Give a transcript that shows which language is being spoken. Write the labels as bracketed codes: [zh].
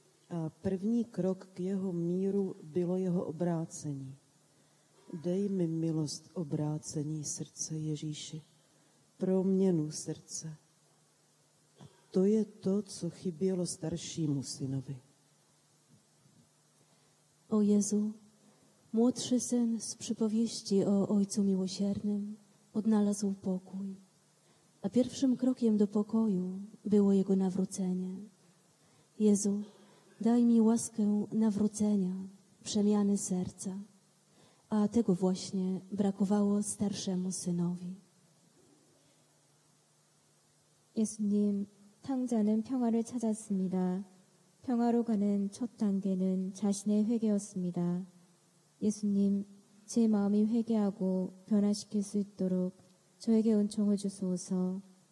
[cs] A první krok k jeho míru bylo jeho obrácení. Dej mi milost obrácení srdce, Ježíši, proměnu srdce. A to je to, co chybělo staršímu synovi. [pl] O Jezu, młodszy syn z przypowieści o Ojcu Miłosiernym odnalazł pokój, a pierwszym krokiem do pokoju było jego nawrócenie. Jezu, daj mi łaskę nawrócenia, przemiany serca. A tego właśnie brakowało starszemu synowi. [ko] Jezu님, 탕자는 평화를 찾았습니다. 평화로 가는 첫 단계는 자신의 회개였습니다. 예수님, 제 마음이 회개하고 변화시킬 수 있도록 저에게 은총을 주소서.